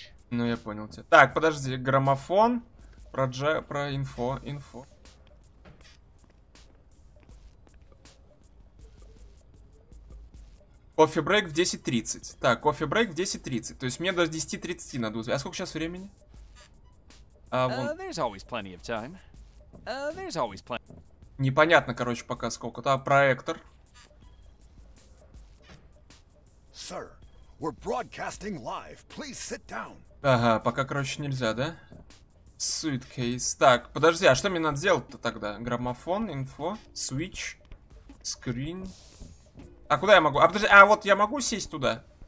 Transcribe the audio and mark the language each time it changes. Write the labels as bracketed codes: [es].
[ru] Ну, я понял тебя. Так, подожди. Граммофон. Про инфо. Инфо. Кофе-брейк в 10:30. Так, кофе-брейк в 10:30. То есть мне до 10:30 надо узнать. А сколько сейчас времени? [en] There's always plenty of time. There's always plenty. [ru] Непонятно, короче, пока сколько. Да, проектор. [en] Sir, we're broadcasting live. Please sit down. [ru] Ага, пока, короче, нельзя, да? [en] Suitcase. [ru] Так, подожди, а что мне надо сделать-то тогда? Граммофон, инфо, switch, screen. А куда я могу? А подожди, а вот я могу сесть туда?